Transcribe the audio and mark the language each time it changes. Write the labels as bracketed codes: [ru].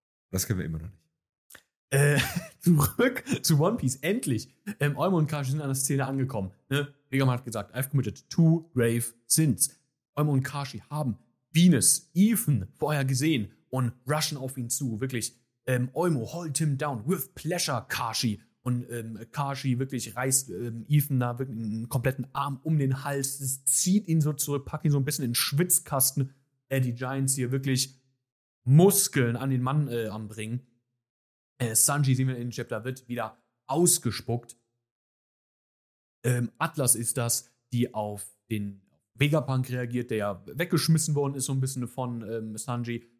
[de] Das können wir immer noch nicht. Zurück zu One Piece, endlich. Eumo und Kashi sind an der Szene angekommen. Ne? Vegam hat gesagt, [en] I've committed two grave sins. [de] Eumo und Kashi haben Venus, Ethan vorher gesehen und rushen auf ihn zu. [en] Wirklich, Eumo, hold him down with pleasure, Kashi. [de] Und Kashi wirklich reißt Ethan da wirklich einen kompletten Arm um den Hals, zieht ihn so zurück, packt ihn so ein bisschen in den Schwitzkasten. Die Giants hier wirklich Muskeln an den Mann anbringen. Sanji, sehen wir in den Chapter, wird wieder ausgespuckt. Atlas ist das, die auf den Vegapunk reagiert, der ja weggeschmissen worden ist so ein bisschen von Sanji.